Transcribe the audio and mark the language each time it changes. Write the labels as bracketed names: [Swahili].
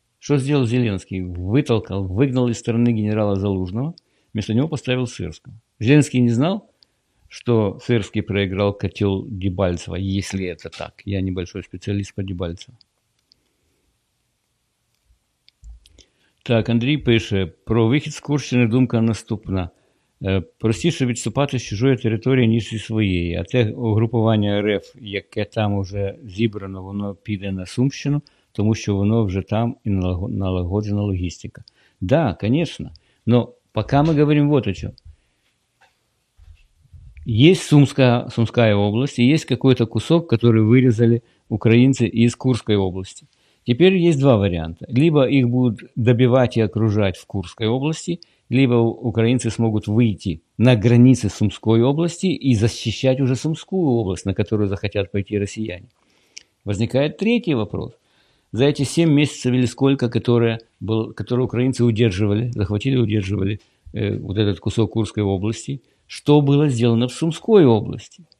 [Russian] Что сделал Зеленский? Вытолкал, выгнал из страны генерала Залужного, вместо него поставил Сырского. Зеленский не знал, что Сырский проиграл котел Дебальцева, если это так. Я небольшой специалист по Дебальцеву. Так, Андрей пишет, про выход с Курщины [Ukrainian] думка наступна. Простіше відступати з чужої території, ніж зі своєї. А те угрупування РФ, яке там уже зібрано, воно піде на Сумщину, тому що воно вже там і налагоджена логістика. Так, да, звісно. Но поки ми говоримо вот о чому. Є Сумська область, і є якийсь кусок, який вирізали українці із Курської області. Тепер є два варіанти. Либо їх будуть добивати і окружати в Курській області, [Russian] либо украинцы смогут выйти на границы Сумской области и защищать уже Сумскую область, на которую захотят пойти россияне. Возникает третий вопрос. За эти 7 месяцев или сколько, которые украинцы удерживали, захватили, удерживали вот этот кусок Курской области, что было сделано в Сумской области?